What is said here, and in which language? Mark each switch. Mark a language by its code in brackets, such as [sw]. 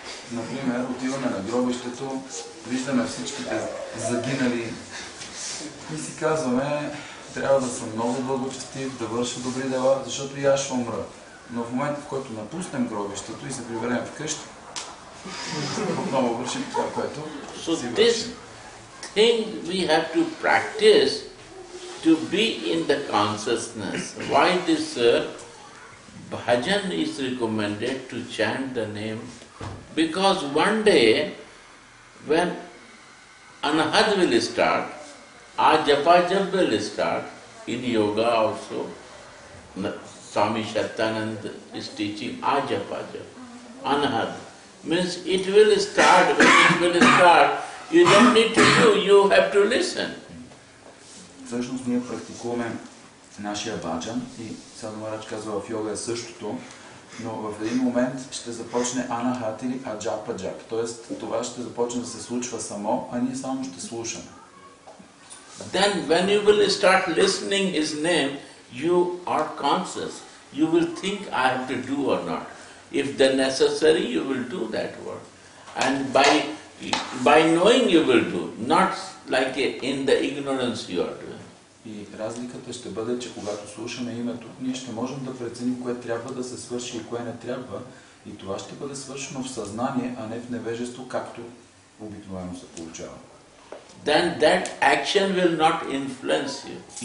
[bg] Например, отиваме на гробището, виждаме всичките загинали и си казваме, трябва да съм много благочестив, да върша добри дела, защото и аз ще умра. Но в момента, в който напуснем гробището и се приберем вкъщи, отново вършим това, което си вършим. [en] So this thing we have to practice to be in the consciousness. Why this bhajan is recommended to chant the name? Because one day when anahat will start, ajapa jap will start in yoga also. Swami Shatanand is teaching ajapa jap. anahat. Means it will start, when it will start, you don't need to do, you have to listen. [bg] Всъщност ние практикуваме нашия баджан и Садху Махарадж казва в йога е същото, но в един момент ще започне анахат или аджапа-джап. Тоест това ще започне да се случва само, а ние само ще слушаме. [en] Then when you will start listening his name, you are conscious. You will think I have to do or not. If then necessary, you will do that work. And by knowing you will do, not like in the ignorance you are doing. [bg] И разликата ще бъде, че когато слушаме името, ние ще можем да преценим кое трябва да се свърши и кое не трябва. И това ще бъде свършено в съзнание, а не в невежество, както обикновено се получава. [en] Then that action will not influence you.